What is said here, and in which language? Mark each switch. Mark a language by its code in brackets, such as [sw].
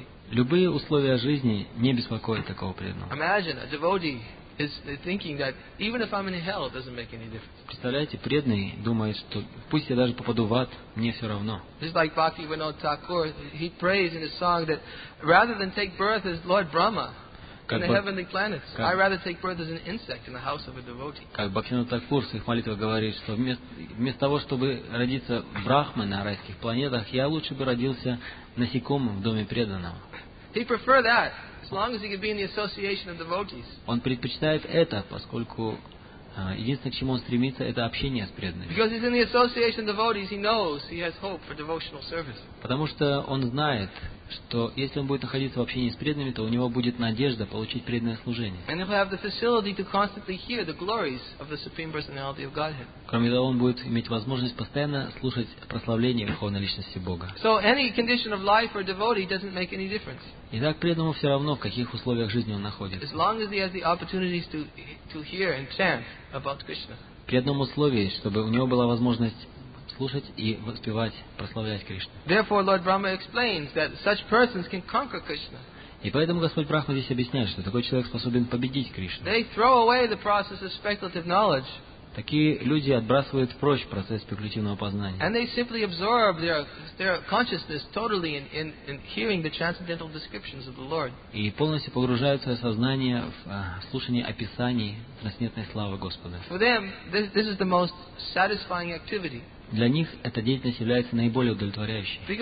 [ru] Любые условия жизни не беспокоят такого преданного. Представляете, преданный думает, что пусть я даже попаду в ад, мне все равно. [en] Just like Bhakti Vinod Thakur, he prays in his song that rather than take birth as Lord Brahma, in the heavenly planets, I rather take birth as an insect in the house of a devotee. [ru] Как Бхактивинода Такур в своих молитвах говорит, что вместо того, чтобы родиться брахмой на райских планетах, я лучше бы родился насекомым в доме преданного. [en] He prefers that, as long as he can be in the association of devotees. [ru] Он предпочитает это, поскольку единственное, к чему он стремится, это общение с преданными. [en] Because he's in the association of devotees, he knows he has hope for devotional service. [ru] Потому что он знает, что если он будет находиться в общении с преданными, то у него будет надежда получить преданное служение. [en] And he'll have the facility to constantly hear the glories of the Supreme Personality of Godhead. [ru] Кроме того, он будет иметь возможность постоянно слушать прославление Верховной Личности Бога. [en] So any condition of life for a devotee doesn't make any difference. [ru] Итак, преданному все равно, в каких условиях жизни он находится. [en] As long as he has the opportunities to hear and chant about Krishna. [ru] При одном условии, чтобы у него была возможность слушать и воспевать, прославлять Кришну. [en] Therefore, Lord Brahma explains that such persons can conquer Krishna. [ru] И поэтому Господь Брахма здесь объясняет, что такой человек способен победить Кришну. [en] They throw away the process of speculative knowledge. [ru] Такие люди отбрасывают прочь процесс спекулятивного познания. [en] And they simply absorb their consciousness totally in hearing the transcendental descriptions of the Lord. [ru] И полностью погружают свое сознание в слушание описаний трансцендентной славы Господа. [en] For them, this is the most satisfying activity. [ru] Для них эта деятельность является наиболее удовлетворяющей.